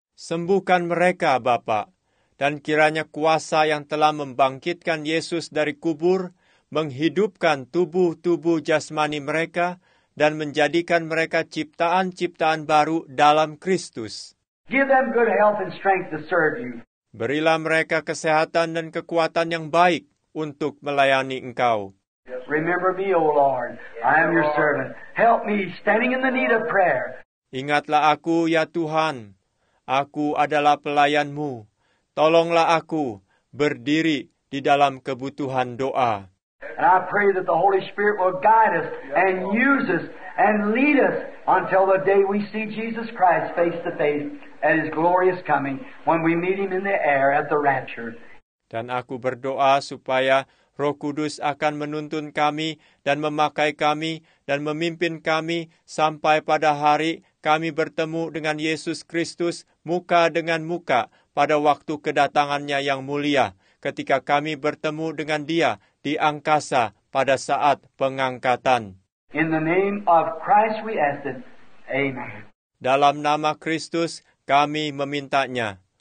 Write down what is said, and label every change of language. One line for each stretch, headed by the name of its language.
Indonesian: Sembuhkan mereka, Bapa, dan kiranya kuasa yang telah membangkitkan Yesus dari kubur menghidupkan tubuh-tubuh jasmani mereka dan menjadikan mereka ciptaan-ciptaan baru dalam Kristus.
English: Give them good health and strength to serve you.
Indonesian: Berilah mereka kesehatan dan kekuatan yang baik untuk melayani Engkau.
English: Remember me, O Lord. I am your servant. Help me, standing in the need of prayer.
Indonesian: Ingatlah aku, ya Tuhan. Aku adalah pelayan-Mu. Tolonglah aku berdiri di dalam kebutuhan doa.
English: And I pray that the Holy Spirit will guide us and use us and lead us until the day we see Jesus Christ face to face at His glorious coming, when we meet Him in the air at the rapture.
Indonesian: Dan aku berdoa supaya Roh Kudus akan menuntun kami dan memakai kami dan memimpin kami sampai pada hari kami bertemu dengan Yesus Kristus muka dengan muka pada waktu kedatangannya yang mulia, ketika kami bertemu dengan Dia di angkasa pada saat pengangkatan.
English: In the name of Christ we ask it. Amen.
Indonesian: Dalam nama Kristus kami memintanya.